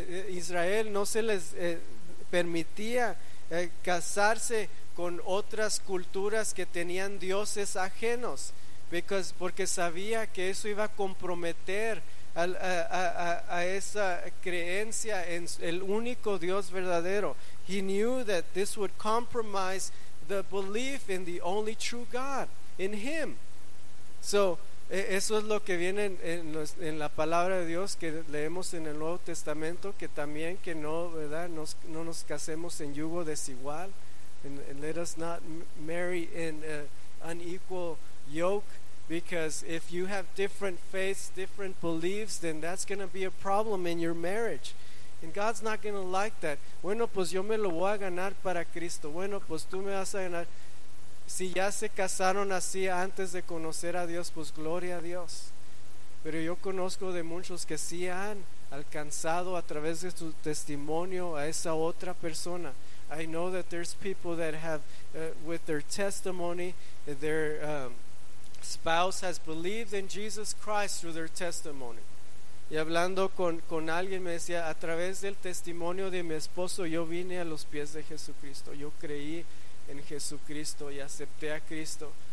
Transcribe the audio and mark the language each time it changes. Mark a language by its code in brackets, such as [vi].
[es] Israel no se les permitía casarse con otras culturas que tenían dioses ajenos, porque sabía que eso iba a comprometer a esa creencia en el único Dios verdadero. [en] He knew that this would compromise the belief in the only true God, in Him. [es] So, eso es lo que viene en la palabra de Dios que leemos en el Nuevo Testamento, que también que no, ¿verdad?, no nos casemos en yugo desigual. [en] And let us not marry in an unequal yoke, because if you have different faiths, different beliefs, then that's going to be a problem in your marriage. And God's not going to like that. [es] Bueno, pues yo me lo voy a ganar para Cristo. Bueno, pues tú me vas a ganar. Si ya se casaron así antes de conocer a Dios, pues gloria a Dios. Pero yo conozco de muchos que sí han alcanzado a través de su testimonio a esa otra persona. [en] I know that there's people that have, with their testimony, their spouse has believed in Jesus Christ through their testimony. [es] Y hablando con alguien me decía, a través del testimonio de mi esposo, yo vine a los pies de Jesucristo. Yo creí en Jesucristo y acepté a Cristo.